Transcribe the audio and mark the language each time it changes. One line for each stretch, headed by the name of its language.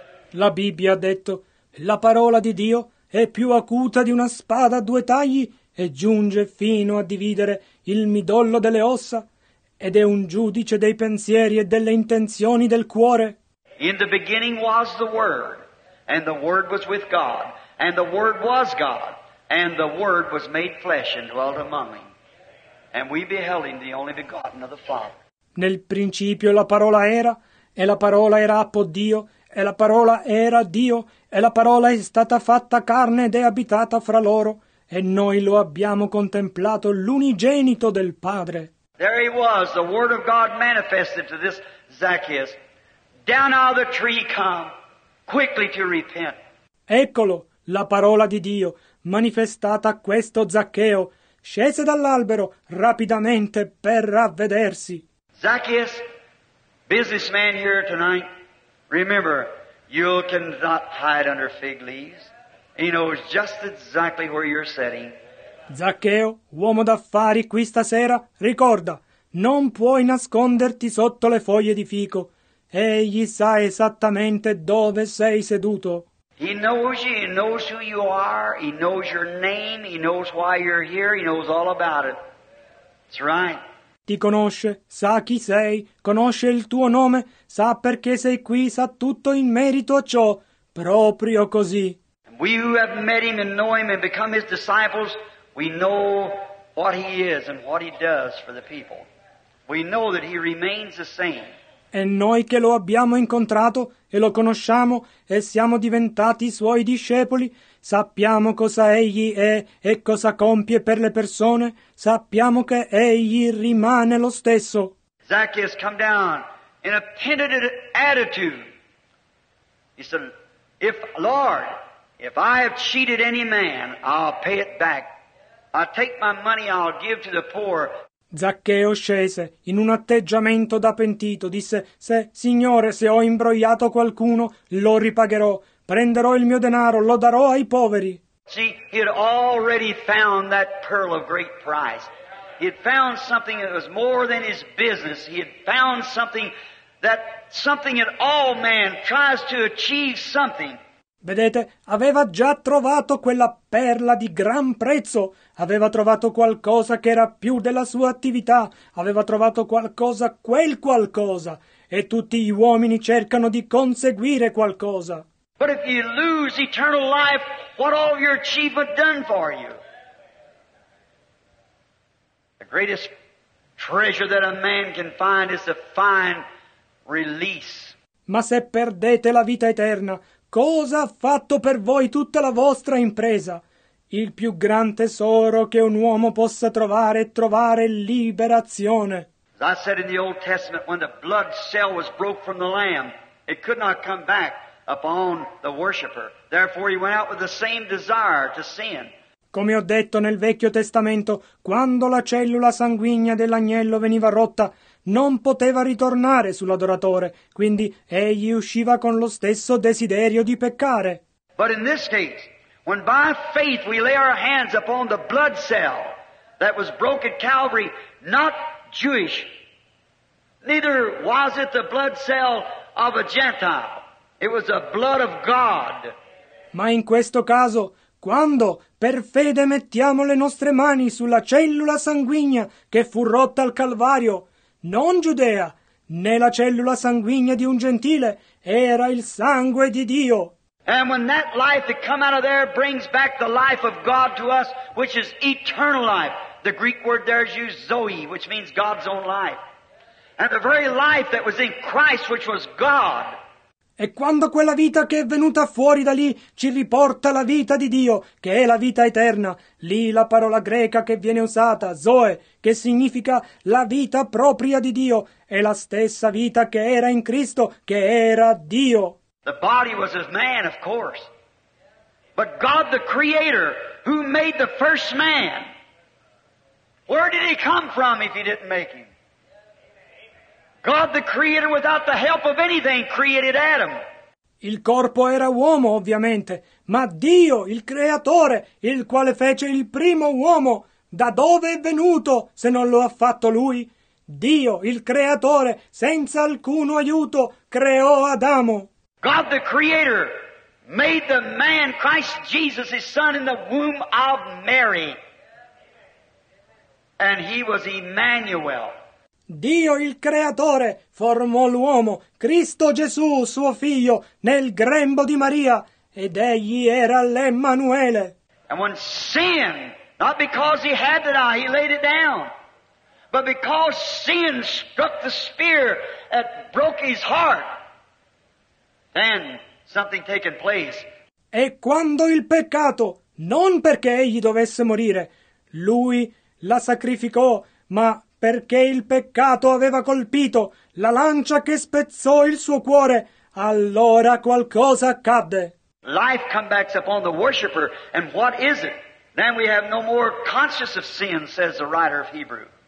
Italian: La Bibbia ha detto: la parola di Dio è più acuta di una spada a due tagli e giunge fino a dividere il midollo delle ossa ed è un giudice dei pensieri e delle intenzioni del cuore.
English: In the beginning was the Word, and the Word was with God, and the Word was God, and the Word was made flesh and dwelt among him. And we beheld him, the only begotten of the Father.
Italian: Nel principio la parola era, e la parola era appo Dio, e la parola era Dio, e la parola è stata fatta carne ed è abitata fra loro, e noi lo abbiamo contemplato l'unigenito del Padre.
English: There he was, the word of God manifested to this Zacchaeus. Down out of the tree come, quickly to repent.
Italian: Eccolo, la parola di Dio, manifestata a questo Zaccheo, scese dall'albero rapidamente per ravvedersi.
English: Zacchaeus, businessman here tonight, remember, you cannot hide under fig leaves. He knows just exactly where you're sitting.
Italian: Zaccheo, uomo d'affari qui stasera, ricorda, non puoi nasconderti sotto le foglie di fico. Egli sa esattamente dove sei seduto.
English: He knows you, he knows who you are, he knows your name, he knows why you're here, he knows all about it. That's right.
Italian: Ti conosce, sa chi sei, conosce il tuo nome, sa perché sei qui, sa tutto in merito a ciò, proprio così.
English: We who have met him and know him and become his disciples, we know what he is and what he does for the people. We know that he remains the same.
Italian: E noi che lo abbiamo incontrato e lo conosciamo e siamo diventati suoi discepoli, sappiamo cosa egli è e cosa compie per le persone, sappiamo che egli rimane lo stesso.
English: Zacchaeus come down in a penitent attitude. He said, "If Lord, if I have cheated any man, I'll pay it back. I'll take my money, I'll give to the poor."
Italian: Zaccheo scese in un atteggiamento da pentito, disse: "Se, Signore, se ho imbrogliato qualcuno, lo ripagherò, prenderò il mio denaro, lo darò ai poveri."
English: See, he had already found that pearl of great price. He had found something that was more than his business. He had found something that all man tries to achieve something.
Italian: Vedete, aveva già trovato quella perla di gran prezzo. Aveva trovato qualcosa che era più della sua attività. Aveva trovato qualcosa, quel qualcosa. E tutti gli uomini cercano di conseguire qualcosa.
English: But if you lose eternal life, what all your achievement done for you? The greatest treasure that a man can find is to find release.
Italian: Ma se perdete la vita eterna, cosa ha fatto per voi tutta la vostra impresa? Il più gran tesoro che un uomo possa trovare è trovare liberazione.
English: As I said in the Old Testament, when the blood cell was broke from the lamb, it could not come back upon the worshipper. Therefore he went out with the same desire to sin.
Italian: Come ho detto nel Vecchio Testamento, quando la cellula sanguigna dell'agnello veniva rotta, non poteva ritornare sull'adoratore, quindi egli usciva con lo stesso desiderio di peccare.
English: But in this case, when by faith we lay our hands upon the blood cell that was broke at Calvary, not Jewish, neither was it the blood cell of a Gentile, it was the blood of God.
Italian: Ma in questo caso, quando per fede mettiamo le nostre mani sulla cellula sanguigna che fu rotta al Calvario, non Giudea, né la cellula sanguigna di un gentile, era il sangue di Dio.
English: And when that life that come out of there brings back the life of God to us, which is eternal life, the Greek word there is used zoe, which means God's own life. And the very life that was in Christ, which was God.
Italian: E quando quella vita che è venuta fuori da lì ci riporta la vita di Dio, che è la vita eterna, lì la parola greca che viene usata, zoe, che significa la vita propria di Dio, è la stessa vita che era in Cristo, che era Dio.
English: The body was of man, of course. But God the Creator, who made the first man, where did he come from if he didn't make him? God the Creator, without the help of anything, created Adam.
Italian: Il corpo era uomo, ovviamente, ma Dio, il Creatore, il quale fece il primo uomo, da dove è venuto se non lo ha fatto Lui? Dio, il Creatore, senza alcuno aiuto, creò Adamo.
English: God the Creator made the man, Christ Jesus, His Son, in the womb of Mary. And He was Emmanuel.
Italian: Dio il Creatore formò l'uomo, Cristo Gesù, suo figlio, nel grembo di Maria, ed egli era l'Emmanuele.
English: And when sin, not because he had the eye, he laid it down, but because sin struck the spear that broke his heart, then something taken place.
Italian: E quando il peccato, non perché egli dovesse morire, lui la sacrificò, ma perché il peccato aveva colpito la lancia che spezzò il suo cuore, allora qualcosa accadde.
English: Life comes back upon the worshipper, and what is it? Then we have no more conscience of sin, says the writer of Hebrew.